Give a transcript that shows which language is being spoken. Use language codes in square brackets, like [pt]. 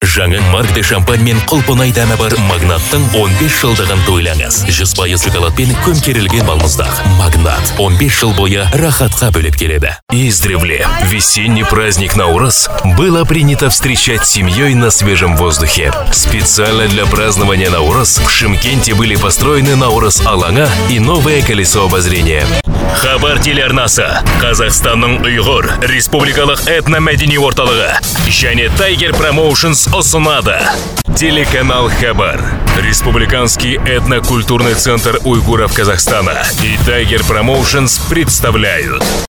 [kk] жаңа марк де шампань мен құлпынай дәмі бар Магнаттың 15 жылдығын тойлаңыз. 100% шоколадпен көмкерілген балмұздақ. Магнат 15 жыл бойы рахатқа бөлеп келеді. [ru] Издревле весенний праздник Наурыз было принято встречать семьей на свежем воздухе. Специально для празднования Наурыз в Шымкенте были построены Наурыз алаңы и новое колесо обозрения. [kk] Хабар телеарнасы, Қазақстанның ұйғыр, республикалық этномәдени орталығы және Tiger Promotions ұсынады. [ru] Телеканал Хабар, республиканский этнокультурный центр уйгуров Казахстана и Tiger Promotions представляют.